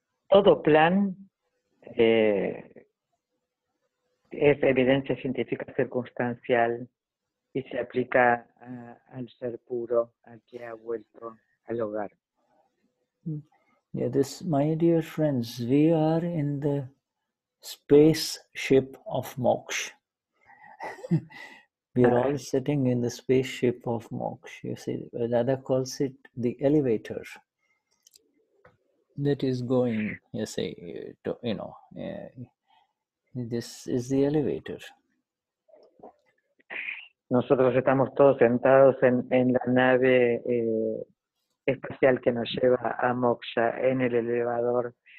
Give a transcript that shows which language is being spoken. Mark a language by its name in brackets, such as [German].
[Spanish] Todo plan es evidencia científica circunstancial y se aplica al ser puro, al que ha vuelto al hogar. [English] My dear friends, we are in the spaceship of moksha. We are all sitting in the spaceship of moksha. You see, Dada calls it the elevator that is going, you see, to, you know, this is the elevator. [Spanish] Nosotros estamos todos sentados en la nave espacial que nos lleva a moksha, en el elevador.